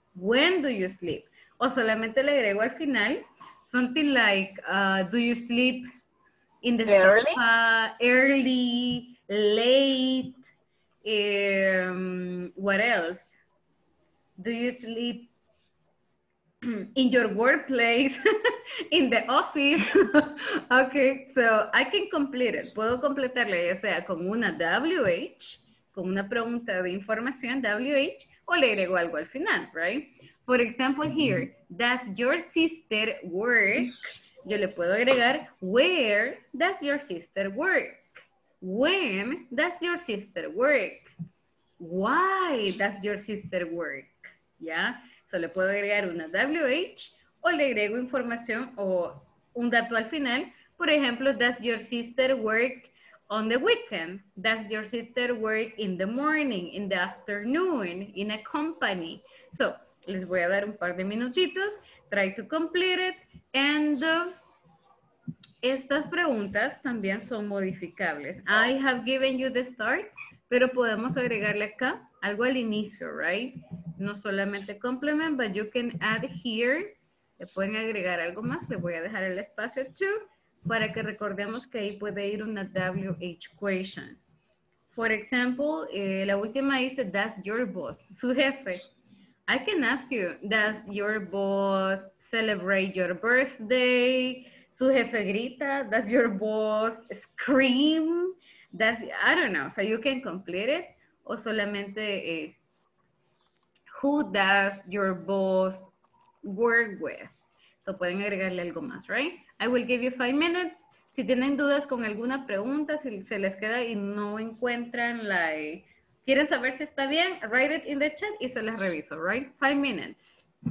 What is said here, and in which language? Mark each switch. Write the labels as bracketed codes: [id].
[en] When do you sleep? O solamente le agrego al final something like, do you sleep in the early? Sofa, early, late, what else? Do you sleep in your workplace, in the office? Okay, so I can complete it. [es] Puedo completarla ya sea con una WH, con una pregunta de información, WH, o le agrego algo al final, right? [en] For example, here, does your sister work? Yo le puedo agregar, where does your sister work? When does your sister work? Why does your sister work? [es] Yeah, so le puedo agregar una WH, o le agrego información o un dato al final. [en] Por ejemplo, does your sister work on the weekend? Does your sister work in the morning, in the afternoon, in a company? [es] So, les voy a dar un par de minutitos. Try to complete it. And estas preguntas también son modificables. [en] I have given you the start, pero podemos agregarle acá algo al inicio, right? No solamente complement, but you can add here. [es] Le pueden agregar algo más. Le voy a dejar el espacio too, para que recordemos que ahí puede ir una WH question. For example, la última dice, does your boss, su jefe. [en] I can ask you, does your boss celebrate your birthday? Su jefe grita, does your boss scream? Does, I don't know, so you can complete it. O solamente, who does your boss work with? So pueden agregarle algo más, right? I will give you 5 minutes. [es] Si tienen dudas con alguna pregunta, si se les queda y no encuentran la... ¿Quieren saber si está bien? Write it in the chat y se las reviso, right? 5 minutes.